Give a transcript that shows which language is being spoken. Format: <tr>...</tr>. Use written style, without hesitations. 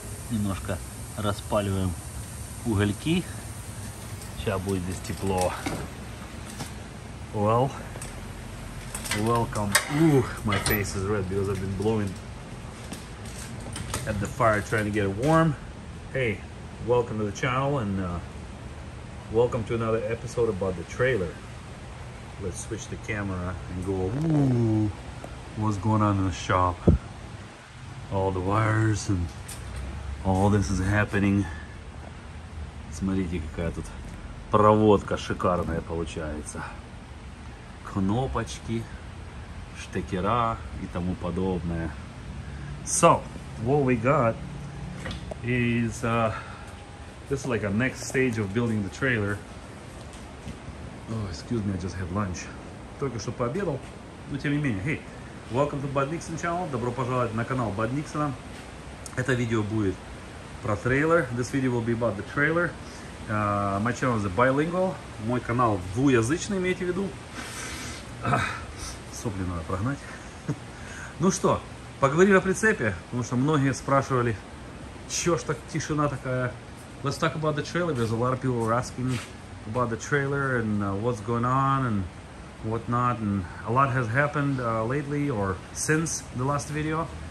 <ru>Немножко распаливаем угольки. Сейчас будет здесь тепло.</ru> <en>Well, welcome. Ooh, my face is red because I've been blowing at the fire trying to get it warm. Hey, welcome to the channel and welcome to another episode about the trailer. Let's switch the camera and go. Ooh, what's going on in the shop? All the wires and all this is happening.</en> <ru>Смотрите, какая тут проводка шикарная получается. Кнопочки, штекера и тому подобное.</ru> <en>So, what we got is this is like a next stage of building the trailer. Oh, excuse me, I just had lunch.</en> <ru>Только что пообедал, но тем не менее.</ru> <en>Hey, welcome to BudStream channel.</en> <ru>Добро пожаловать на канал</ru> <en>BudStream.</en> <ru>Это видео будет про трейлер.</ru> <en>This video will be about the trailer. My channel is bilingual.</en> <ru>Мой канал двуязычный, имейте в виду. Сопли надо прогнать. Ну что, поговорили о прицепе, потому что многие спрашивали, чё ж так тишина такая.</ru> <en>Let's talk about the trailer, because a lot of people were asking about the trailer and what's going on and whatnot. And a lot has happened lately or since the last video.</en>